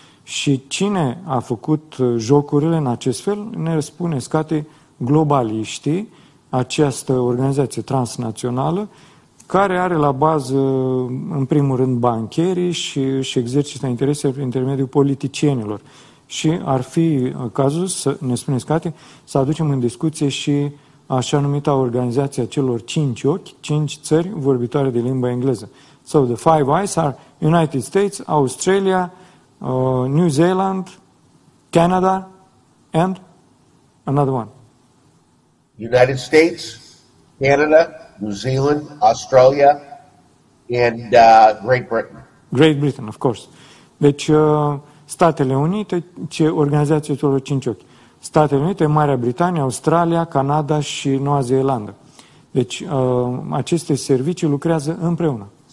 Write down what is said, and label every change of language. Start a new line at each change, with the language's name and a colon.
Romanian: Și cine a făcut jocurile în acest fel, ne răspune Scati, globaliștii, această organizație transnațională, care are la bază, în primul rând, bancherii și își exercită interese prin intermediul politicienilor. Și ar fi cazul, să ne spuneți, Cate, să aducem în discuție și așa numita organizația celor cinci ochi, cinci țări vorbitoare de limba engleză.
English: So, the Five Eyes are United States, Australia, New Zealand, Canada, and another one. United States, Canada, New Zealand, Australia, and Great Britain. Great Britain, of course.
Romanian: Deci, Statele Unite, ce organizație celor cinci ochi? Statele Unite, Marea Britanie, Australia, Canada și Noua Zeelandă. Deci, aceste servicii lucrează împreună.